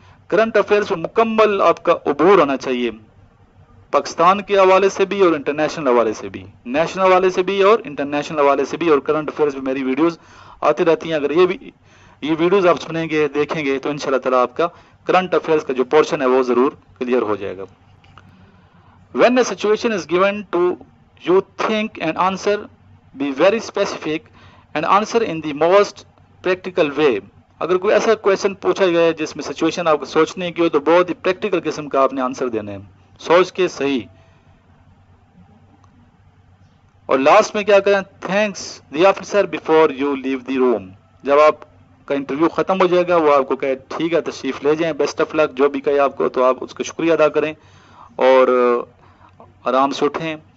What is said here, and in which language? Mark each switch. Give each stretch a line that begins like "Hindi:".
Urdu: Current affairs پر مکمل آپ کا عبور ہونا چاہیے، پاکستان کے حوالے سے بھی اور انٹرنیشنل حوالے سے بھی، نیشنل حوالے سے بھی اور انٹرنیشنل حوالے سے بھی. اور کرنٹ افیئرز پہ میری ویڈیوز آتی رہتی ہیں، اگر یہ بھی یہ ویڈیوز آپ سنیں گے دیکھیں گے تو انشاءاللہ تعالیٰ آپ کا کرنٹ افیئرز کا جو پورشن ہے وہ ضرور کلیئر ہو جائے گا.
English: When a situation is given to you think and answer, be very specific and answer in the most practical way.
Urdu: اگر کوئی ایسا کویشچن پوچھا گیا ہے جس میں سچویشن آپ کو سوچنے کی ہو تو بہت ہی پریکٹیکل قسم کا آپ نے آنسر دینا ہے، سوچ کے صحیح. اور لاسٹ میں کیا کریں،
English: Thanks the officer before you leave the room.
Urdu: جب آپ کا انٹرویو ختم ہو جائے گا وہ آپ کو کہے ٹھیک ہے تشریف لے جائیں، بیسٹ آف لک جو بھی کہے آپ کو، تو آپ اس کا شکریہ ادا کریں اور آرام سے اٹھیں.